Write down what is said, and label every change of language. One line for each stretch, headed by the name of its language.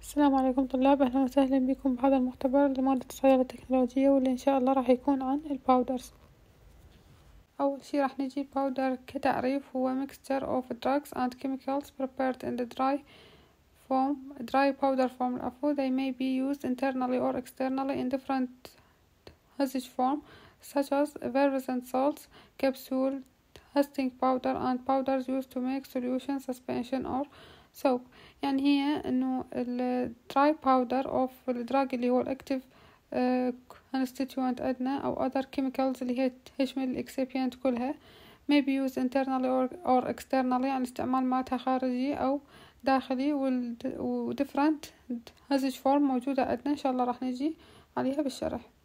Arabic: السلام عليكم طلاب، أهلا وسهلا بكم بهذا المختبر لمادة الصيدلة التكنولوجية، واللي إن شاء الله راح يكون عن الباودرز. أول شي راح نجي باودر كتعريف، هو
English: mixture of drugs and chemicals prepared in the dry form. dry powder form
Arabic: العفو.
English: they may be used internally or externally in different dosage form such as effervescent salts, capsule, testing powder and powders used to make solution, suspension or soap.
Arabic: يعني هي انه ال
English: dry powder of the drug
Arabic: اللي هو
English: active constituent
Arabic: عندنا او
English: other chemicals
Arabic: اللي هي تشمل الاكسيبيانت كلها
English: may be used internally or externally،
Arabic: يعني استعمال مالتها خارجي او داخلي، و
English: different dosage form
Arabic: موجودة عندنا ان شاء الله راح نجي عليها بالشرح.